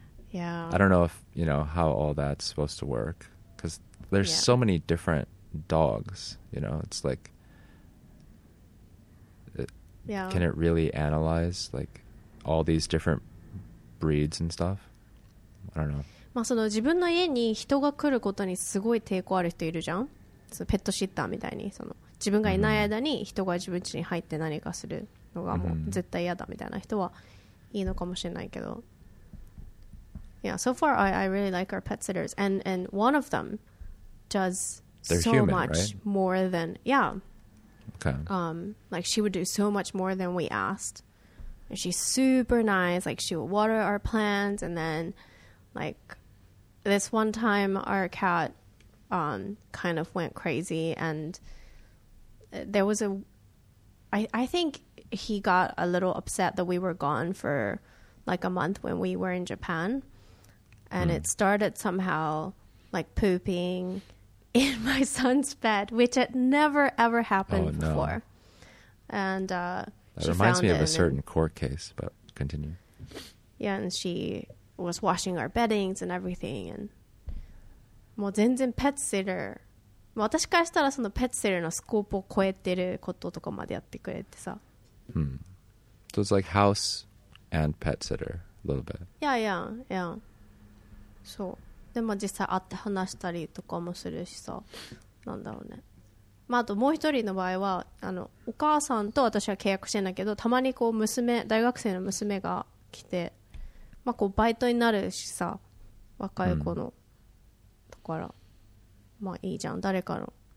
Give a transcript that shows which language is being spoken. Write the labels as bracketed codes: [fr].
[en] Yeah. I don't know if, you know, how all that's supposed to work because there's yeah. so many different dogs, you know, it's like, yeah. can it really analyze like all these different breeds and stuff? I don't know. [ja] まあその自分の家に人が来ることにすごい抵抗ある人いるじゃん。そのペットシッターみたいにその自分がいない間に人が自分家に入って何かするのがもう絶対嫌だみたいな人はいいのかもしれないけど。 [en] Yeah, so far I really like our pet sitters. And one of them does They're so human, much right? more than... Yeah. Okay. Like she would do so much more than we asked. And she's super nice. Like she would water our plants. And then like this one time our cat kind of went crazy and... There was a, I think he got a little upset that we were gone for like a month when we were in Japan. And it started somehow like pooping in my son's bed, which had never, ever happened before. And that reminds me of a certain court case, but continue. Yeah, and she was washing our beddings and everything. [ja] And もう全然ペットシッター、私からしたらそのペットシッターのスコープを超えてることとかまでやってくれてさ。 Hmm. [en] So it's like house and pet sitter a little bit. Yeah, yeah, yeah. そう。 [ja] でも実際会って話したりとかもするしさ。なんだろうね。まあ、あともう一人の場合はあのお母さんと私は契約してんだけど、たまにこう娘、大学生の娘が来て、まあこうバイトになるしさ、若い子の、だから、まあいいじゃん、誰かの。